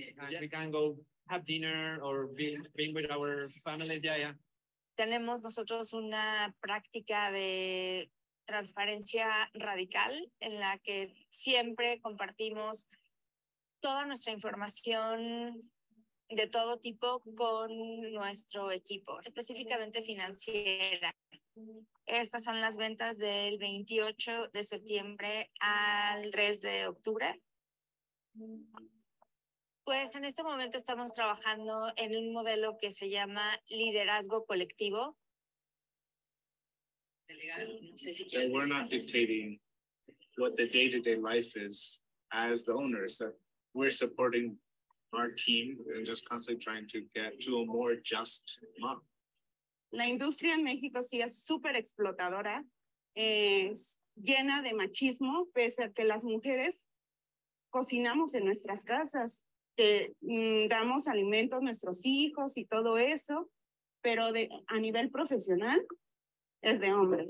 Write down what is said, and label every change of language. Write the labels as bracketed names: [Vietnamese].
[English] Yeah. We can go have dinner or be with our family. Yeah, yeah. [Spanish] Tenemos nosotros una práctica de transparencia radical en la que siempre compartimos toda nuestra información de todo tipo con nuestro equipo, específicamente financiera. Estas son las ventas del 28 de septiembre al 3 de octubre. Pues en este momento estamos trabajando en un modelo que se llama liderazgo colectivo. [English] So we're not dictating what the day-to-day life is as the owners. We're supporting our team and just constantly trying to get to a more just model. [Spanish] La industria en México sí es súper explotadora, es llena de machismo, pese a que las mujeres cocinamos en nuestras casas, que damos alimento a nuestros hijos y todo eso, pero a nivel profesional es de hombres.